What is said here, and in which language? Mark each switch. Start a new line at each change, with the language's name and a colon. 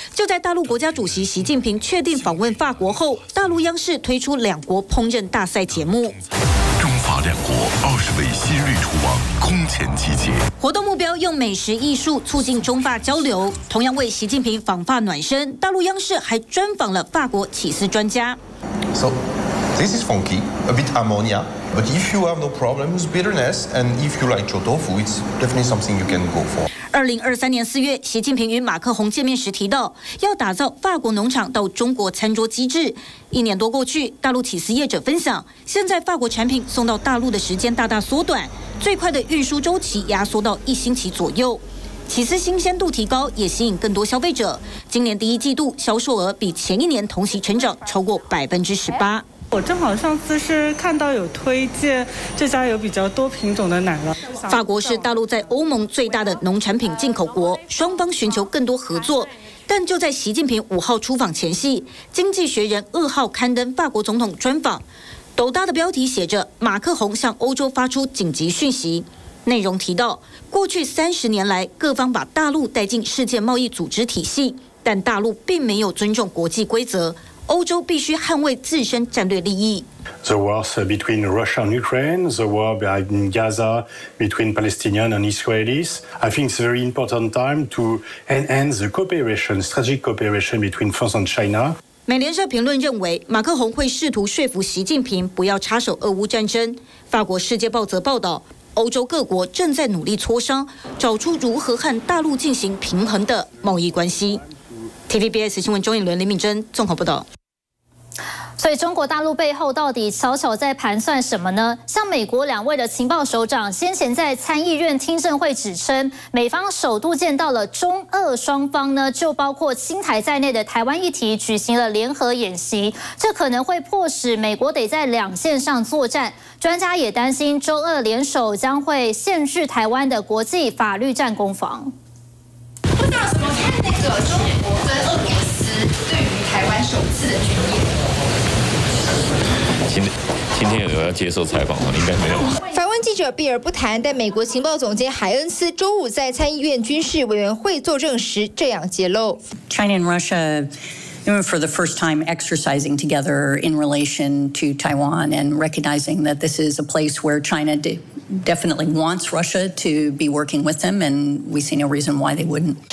Chinese: 就在大陆国家主席习近平确定访问法国后，大陆央视推出两国烹饪大赛节目。中法两国二十为昔日楚王空前集结。活动目标用美食艺术促进中法交流，同样为习近平访法暖身，大陆央视还专访了法国起司专家。
English: So this is funky, a bit ammonia, but if you have no problems, bitterness, and if you like 臭豆腐, it's definitely something you can go for.
Chinese: 2023年4月，习近平与马克宏见面时提到，要打造法国农场到中国餐桌机制。一年多过去，大陆起司业者分享，现在法国产品送到大陆的时间大大缩短，最快的运输周期压缩到一星期左右。起司新鲜度提高，也吸引更多消费者。今年第一季度销售额比前一年同期成长超过18%。我正好上次是看到有推荐这家有比较多品种的奶酪。法国是大陆在欧盟最大的农产品进口国，双方寻求更多合作。但就在习近平5号出访前夕，经济学人2号刊登法国总统专访，斗大的标题写着马克宏向欧洲发出紧急讯息，内容提到过去30年来各方把大陆带进世界贸易组织体系，但大陆并没有尊重国际规则，欧洲必须捍卫自身战略利益。
English: The wars between Russia and Ukraine, the war in Gaza between Palestinians and Israelis, I think it's a very important time to enhance the cooperation, strategic cooperation between France and China.
Chinese: 美联社评论认为，马克宏会试图说服习近平不要插手俄乌战争。法国《世界报》则报道，欧洲各国正在努力磋商，找出如何和大陆进行平衡的贸易关系。 TVBS 新闻中影伦李敏珍综合报道。所以中国大陆背后到底悄悄在盘算什么呢？像美国两位的情报首长先前在参议院听证会指称，美方首度见到了中俄双方呢，就包括青台在内的台湾议题举行了联合演习，这可能会迫使美国得在两线上作战。专家也担心中俄联手将会限制台湾的国际法律战攻防。不知道怎么看那个中国跟俄罗斯对于台湾首次的军演。今天有要接受采访吗？应该没有。台湾记者避而不谈，但美国情报总监海恩斯周五在参议院军事委员会作证时这样揭露
English: ：China and Russia, for the first time, exercising together in relation to Taiwan and recognizing that this is a place where China definitely wants Russia to be working with them, and we see no reason why they wouldn't.